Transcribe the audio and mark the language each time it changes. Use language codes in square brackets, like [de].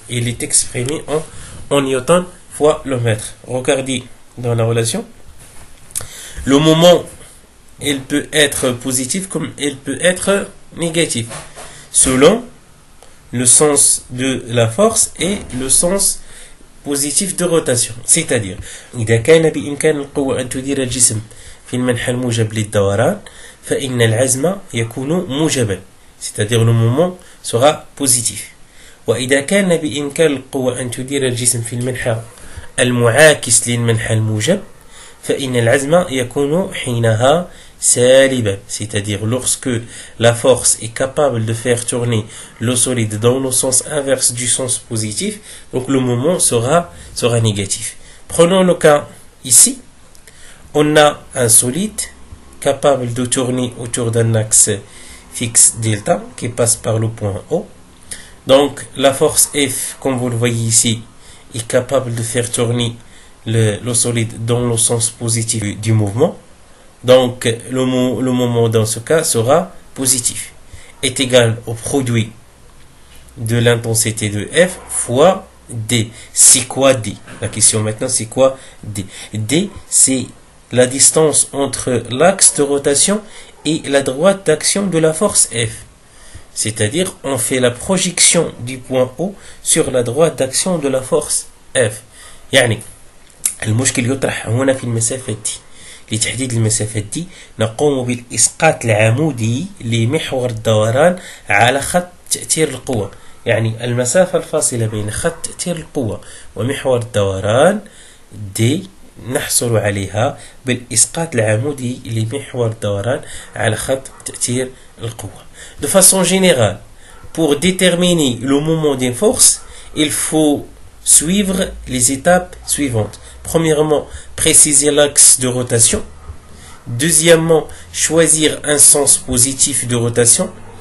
[fr] Il est exprimé en newton fois le mètre. Regardez dans la relation. Le moment, il peut être positif comme il peut être négatif. le sens de la force et le sens positif de rotation. C'est-à-dire, [ar] إذا كان بإمكان القوة أن تدير الجسم في المنحى الموجب للدوران، فإن العزم يكون موجبا. [fr] C'est-à-dire, le moment sera positif. [ar] وإذا كان بإمكان القوة أن تدير الجسم في المنحى المعاكس للمنحى الموجب، فإن العزم يكون حينها سالبا. [fr] C'est-à-dire, lorsque la force est capable de faire tourner le solide dans le sens inverse du sens positif, donc le moment sera négatif. Prenons le cas ici. On a un solide capable de tourner autour d'un axe fixe delta qui passe par le point O. Donc, la force F, comme vous le voyez ici, est capable de faire tourner le solide dans le sens positif du mouvement. Donc, le moment dans ce cas sera positif, est égal au produit de l'intensité de F fois D. C'est quoi D? La question maintenant, c'est quoi D? D, c'est la distance entre l'axe de rotation et la droite d'action de la force F. C'est-à-dire, on fait la projection du point O sur la droite d'action de la force F. [ar] يعني, المشكل يطرح هنا في المسافة دي. لتحديد المسافة دي نقوم بالإسقاط العمودي لمحور الدوران على خط تأثير القوة. يعني المسافة الفاصلة بين خط تأثير القوة ومحور الدوران دي نحصل عليها بالإسقاط العمودي لمحور الدوران على خط تأثير القوة. [fr] De façon générale, pour déterminer le moment d'une force, il faut suivre les étapes suivantes. Premièrement, préciser l'axe de rotation. Deuxièmement, choisir un sens positif de rotation.